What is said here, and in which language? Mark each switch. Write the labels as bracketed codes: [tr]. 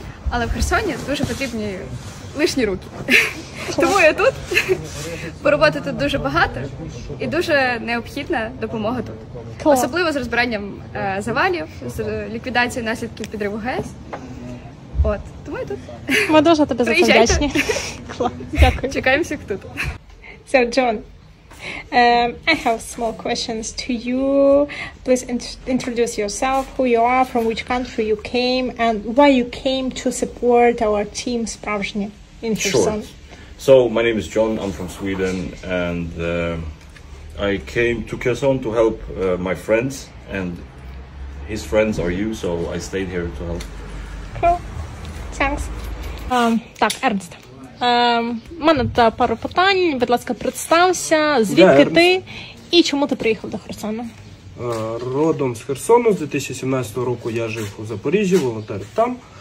[uk] Але в Херсоні дуже потрібні лишні руки. Тому я тут, бо роботи тут дуже багато і дуже необхідна допомога тут. Особливо з розбиранням завалів, з ліквідацією наслідків підриву ГЕС. От, тому я тут. Ми дуже тобі за це вдячні. Дякую. Чекаємо всіх тут. [en] So, John, I have small questions to you. Please introduce yourself, who you are, from which country you came, and why you came to support our team Spravzhni in Kherson. So, my name is John, I'm from Sweden, and I came to Kherson to help my friends, and his friends are you, so I stayed here to help. Cool, thanks. [uk] Так, Ernst. У мене пару питань, будь ласка, представся, звідки ти і чому ти приїхав до Херсону? Родом з Херсону, з 2017 року я жив у Запоріжжі, волонтер там.